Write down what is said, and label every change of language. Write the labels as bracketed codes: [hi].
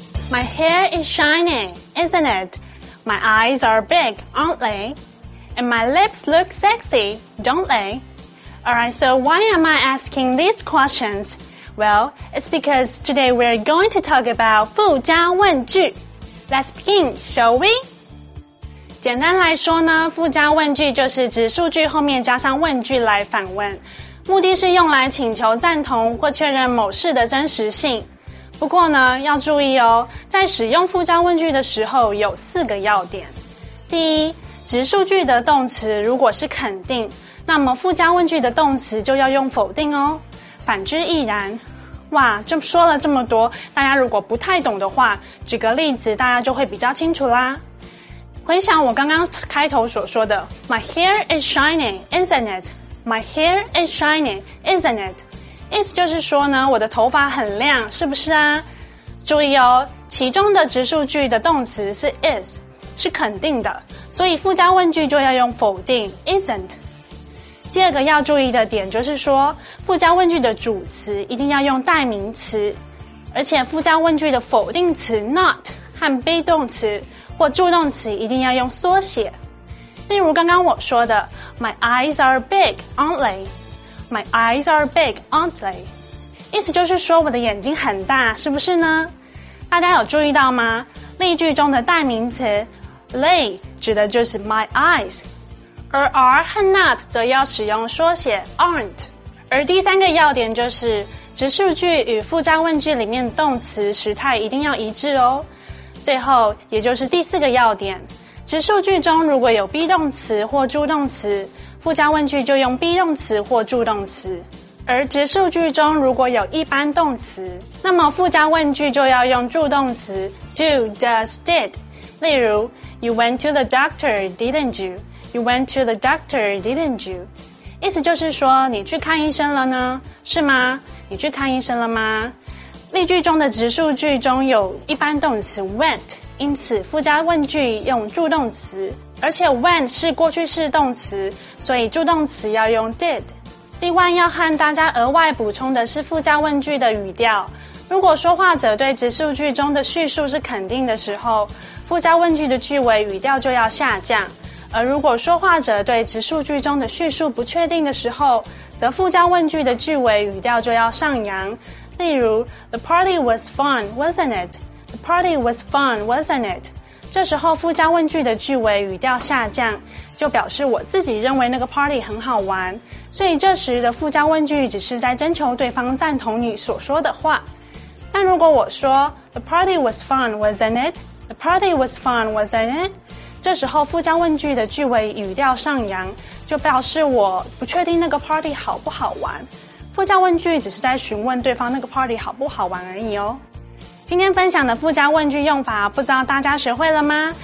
[en] My hair is shiny, isn't it? My eyes are big, aren't they? And my lips look sexy, don't they? Alright, so why am I asking these questions? Well, it's because today we're going to talk about 附加问句。 Let's begin, shall we? [zh] 简单来说呢，附加问句就是指数据后面加上问句来反问，目的是用来请求赞同或确认某事的真实性。不过呢，要注意哦，在使用附加问句的时候有四个要点。第一，指数据的动词如果是肯定，那么附加问句的动词就要用否定哦。反之亦然。哇，这说了这么多，大家如果不太懂的话，举个例子大家就会比较清楚啦。回想我刚刚开头所说的 [en] My hair is shiny, isn't it? My hair is shiny, isn't it? [zh] 意思就是说呢，我的头发很亮，是不是啊？注意哦，其中的指数句的动词是 is, 是肯定的，所以附加问句就要用否定 isn't。第二个要注意的点就是说，附加问句的主词一定要用代名词，而且附加问句的否定词 not 和 be 动词或助动词一定要用缩写。例如刚刚我说的 [en] My eyes are big, aren't they? My eyes are big, aren't they? [zh] 意思就是说我的眼睛很大，是不是呢？大家有注意到吗？例句中的代名词 they 指的就是 my eyes，而 are 和 not 则要使用缩写 aren't。而第三个要点就是指数句与附加问句里面动词时态一定要一致哦。最后也就是第四个要点，指数句中如果有 be 动词或助动词，附加问句就用 be 动词或助动词，而指数句中如果有一般动词，那么附加问句就要用助动词 do, does, did。 [en] 例如 You went to the doctor, didn't youYou went to the doctor, didn't you? [zh] 意思就是说你去看医生了呢，是吗？你去看医生了吗？例句中的指数句中有一般动词 went, 因此附加问句用助动词，而且 went 是过去式动词，所以助动词要用 did。另外要和大家额外补充的是附加问句的语调，如果说话者对指数句中的叙述是肯定的时候，附加问句的句尾语调就要下降，而如果说话者对指数句中的叙述不确定的时候，则附加问句的句尾语调就要上扬。 [en] 例如 The party was fun, wasn't it? The party was fun, wasn't it? [zh] 这时候附加问句的句尾语调下降，就表示我自己认为那个 party 很好玩，所以这时的附加问句只是在征求对方赞同你所说的话。 [en] 但如果我说 The party was fun, wasn't it? The party was fun, wasn't it? [zh] 这时候附加问句的句尾语调上扬，就表示我不确定那个 party 好不好玩，附加问句只是在询问对方那个 party 好不好玩而已哦。今天分享的附加问句用法，不知道大家学会了吗？